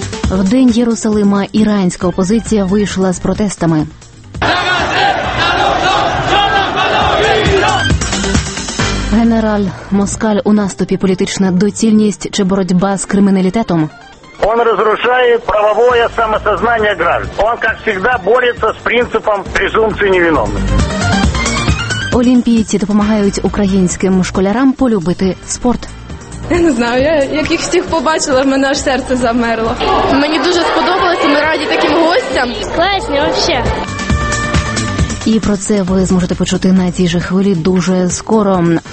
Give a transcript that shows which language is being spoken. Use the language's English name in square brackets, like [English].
[Ukrainian] В день Єрусалима іранська опозиція вийшла з протестами. Генерал Москаль у наступі: політична доцільність чи боротьба з криміналітетом? [Russian] Он разрушает правовое самосознание граждан. Он, как всегда, борется с принципом презумпции невиновности. [Ukrainian] Олімпійці допомагають українським школярам полюбити спорт. Я не знаю, я як їх всіх побачила, в мене аж серце замерло. Мені дуже сподобалося, ми раді таким гостям. Класні, вообще. І про це ви зможете почути на цій же хвилі дуже скоро.